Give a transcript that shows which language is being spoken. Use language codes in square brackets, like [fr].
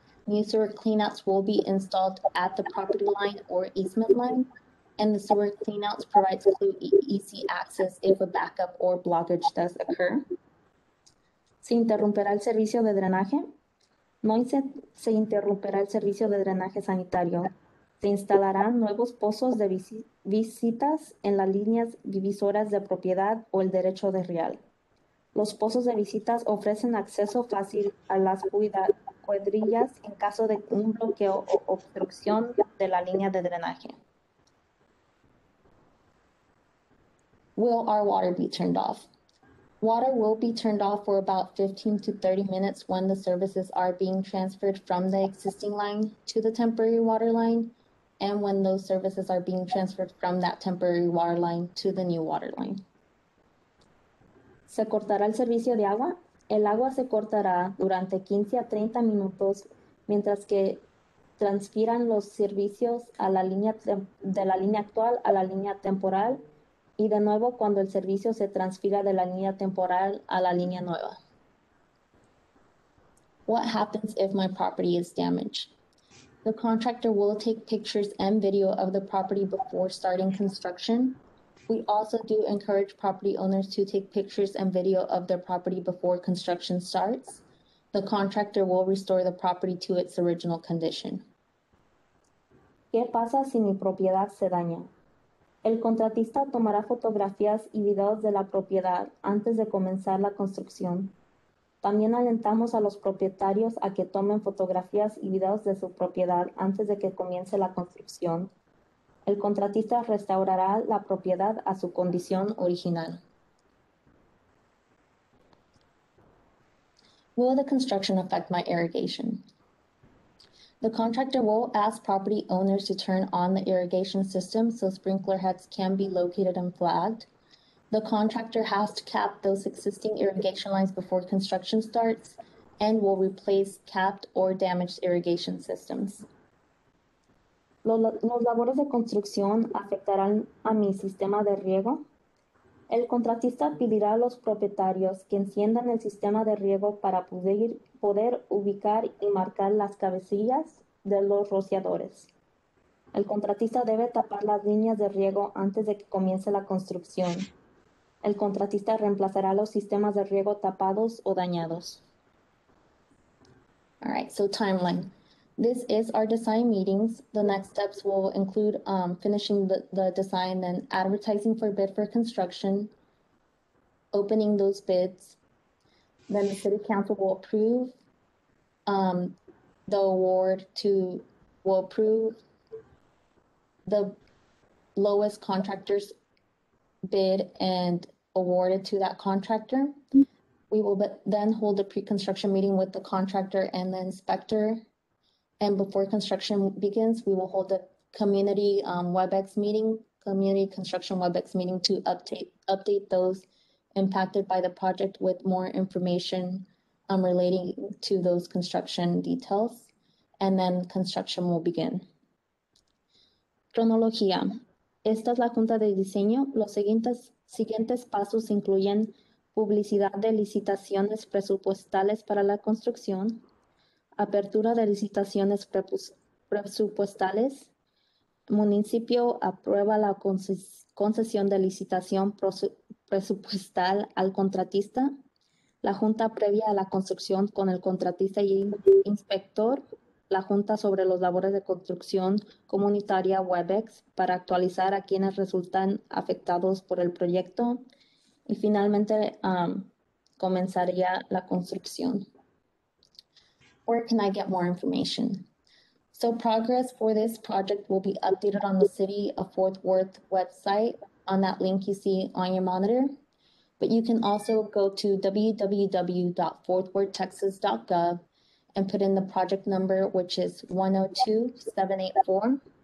[en] New sewer cleanouts will be installed at the property line or easement line, and the sewer cleanouts provides easy access if a backup or blockage does occur. [es] ¿Se interrumpirá el servicio de drenaje? No se interrumpirá el servicio de drenaje sanitario. Se instalarán nuevos pozos de visitas en las líneas divisoras de propiedad o el derecho de real. Los pozos de visitas ofrecen acceso fácil a las cuadrillas en caso de un bloqueo o obstrucción de la línea de drenaje. [en] Will our water be turned off? Water will be turned off for about 15 to 30 minutes when the services are being transferred from the existing line to the temporary water line, and when those services are being transferred from that temporary water line to the new water line. [es] ¿Se cortará el servicio de agua? El agua se cortará durante 15 a 30 minutos mientras que transfieran los servicios a la línea de la línea actual a la línea temporal. Y de nuevo cuando el servicio se transfiera de la línea temporal a la línea nueva. [en] What happens if my property is damaged? The contractor will take pictures and video of the property before starting construction. We also do encourage property owners to take pictures and video of their property before construction starts. The contractor will restore the property to its original condition. [es] ¿Qué pasa si mi propiedad se daña? El contratista tomará fotografías y videos de la propiedad antes de comenzar la construcción. También alentamos a los propietarios a que tomen fotografías y videos de su propiedad antes de que comience la construcción. El contratista restaurará la propiedad a su condición original. [en] Will the construction affect my irrigation? The contractor will ask property owners to turn on the irrigation system so sprinkler heads can be located and flagged. The contractor has to cap those existing irrigation lines before construction starts and will replace capped or damaged irrigation systems. [es] ¿Los labores de construcción afectarán a mi sistema de riego? El contratista pedirá a los propietarios que enciendan el sistema de riego para poder ubicar y marcar las cabecillas de los rociadores. El contratista debe tapar las líneas de riego antes de que comience la construcción. El contratista reemplazará los sistemas de riego tapados o dañados. [en] All right, so timeline. This is our design meetings. The next steps will include finishing the design, then advertising for bid for construction, opening those bids. Then the city council will approve the award to, will approve the lowest contractor's bid and award it to that contractor. We will then hold a pre-construction meeting with the contractor and the inspector. And before construction begins, we will hold a community WebEx meeting, community construction WebEx meeting to update those impacted by the project with more information relating to those construction details. And then construction will begin. [es] Cronología. Esta es la junta de diseño. Los siguientes pasos incluyen publicidad de licitaciones presupuestales para la construcción, apertura de licitaciones presupuestales, municipio aprueba la concesión de licitación presupuestal al contratista, la junta previa a la construcción con el contratista y inspector, la junta sobre los labores de construcción comunitaria WebEx para actualizar a quienes resultan afectados por el proyecto, y finalmente comenzaría la construcción. [en] Where can I get more information? So progress for this project will be updated on the City of Fort Worth website on that link you see on your monitor. But you can also go to www.fortworthtexas.gov and put in the project number, which is 102784.